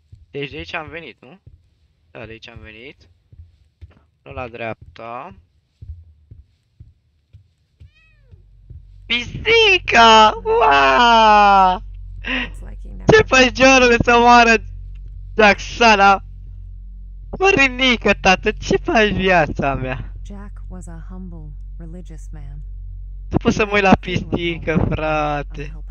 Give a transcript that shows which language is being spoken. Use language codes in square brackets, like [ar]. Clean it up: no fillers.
[ro] Deci de aici am venit, nu? Da, de aici am venit. Nu la dreapta. Pisica! Uaaa! Ce faci, Giorule, să moară Jacksana? Mărinică, tată, ce faci viața mea? [en] Jack was a humble, religious man. [ro] Tu poți să mă uit la pisica, frate.